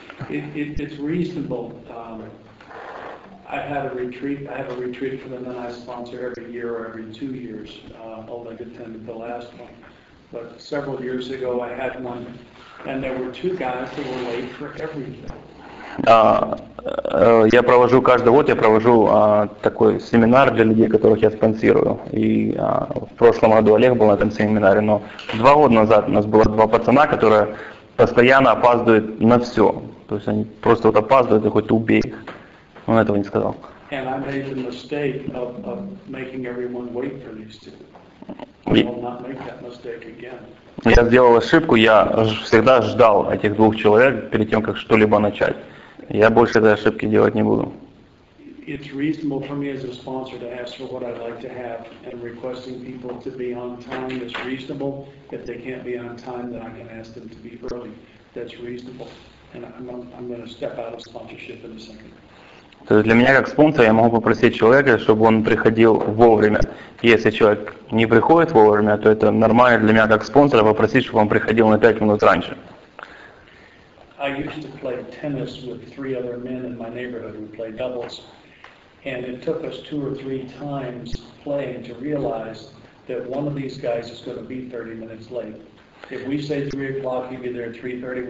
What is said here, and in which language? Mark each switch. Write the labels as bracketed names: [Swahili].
[English] It's reasonable. I have a retreat for them that I sponsor every year or every 2 years, although I attended the last one. But several years ago, I had one, and there were two guys that were late for everything. [Russian] Я провожу каждый год, я провожу такой семинар для людей, которых я спонсирую. И в прошлом году Олег был на этом семинаре, но 2 года назад у нас было 2 пацана, которые постоянно опаздывают на все. То есть они просто вот опаздывают и хоть убей их. Он этого не сказал. [English] And I made the mistake of making everyone wait for these two. I will not make that mistake again. [Russian] Я сделал ошибку, я всегда ждал этих 2 человек перед тем, как что-либо начать. Я больше этой ошибки делать не буду. [English] It's reasonable for me as a sponsor to ask for what I'd like to have, and requesting people to be on time is reasonable. If they can't be on time, then I can ask them to be early. That's reasonable. And I'm going to step out of sponsorship in a second. [Russian] То есть для меня как спонсора я могу попросить человека, чтобы он приходил вовремя. Если человек не приходит вовремя, то это нормально для меня как спонсора попросить, чтобы он приходил на 5 минут раньше. [English] I used to play tennis with 3 other men in my neighborhood who played doubles. And it took us 2 or 3 times playing to realize that one of these guys is going to be 30 minutes late. If we say 3 o'clock, he'll be there at 3:30.